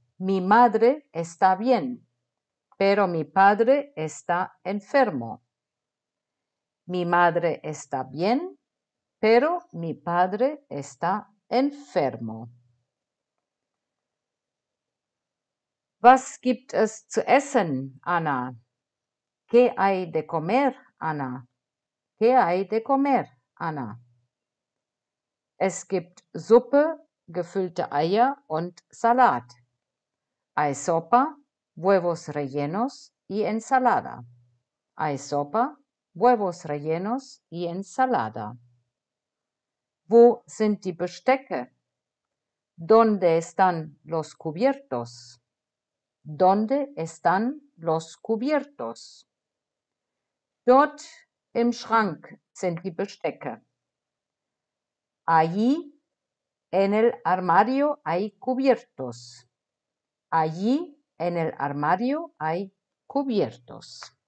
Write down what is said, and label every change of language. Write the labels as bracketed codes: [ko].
[es] Mi madre está bien, pero mi padre está enfermo. Mi madre está bien, pero mi padre está enfermo. [de] Was gibt es zu essen, Anna? [es] ¿Qué hay de comer, Anna? ¿Qué hay de comer, Anna? [de] Es gibt Suppe, gefüllte Eier und Salat. [es] Hay sopa, huevos rellenos y ensalada. Hay sopa, huevos rellenos y ensalada. [de] Wo sind die Bestecke? [es] ¿Dónde están los cubiertos? ¿Dónde están los cubiertos? [de] Dort im Schrank sind die Bestecke. [es] Allí, en el armario hay cubiertos. Allí, en el armario hay cubiertos.